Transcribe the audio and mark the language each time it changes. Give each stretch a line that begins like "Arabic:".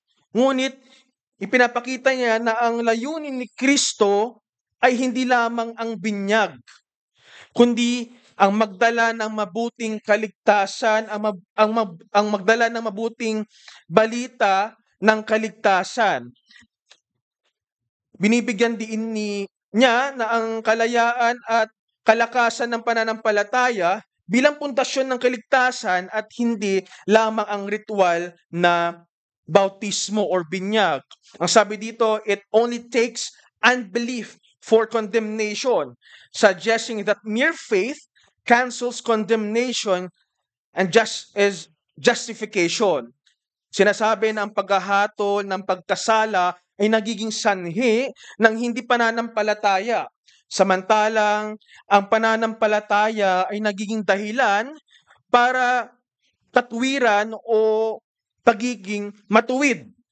Filipino: Ngunit ipinapakita niya na ang layunin ni Kristo ay hindi lamang ang binyag, kundi ang magdala ng mabuting kaligtasan, ang magdala ng mabuting balita ng kaligtasan. Binibigyan din niya na ang kalayaan at kalakasan ng pananampalataya bilang pundasyon ng kaligtasan at hindi lamang ang ritual na bautismo or binyag. Ang sabi dito,
English: "It only takes unbelief for condemnation, suggesting that mere faith cancels condemnation and is justification."
Filipino: Sinasabi na ang paghahatol ng pagkasala ay nagiging sanhi ng hindi pananampalataya, samantalang ang pananampalataya ay nagiging dahilan para tatwiran o pagiging matuwid.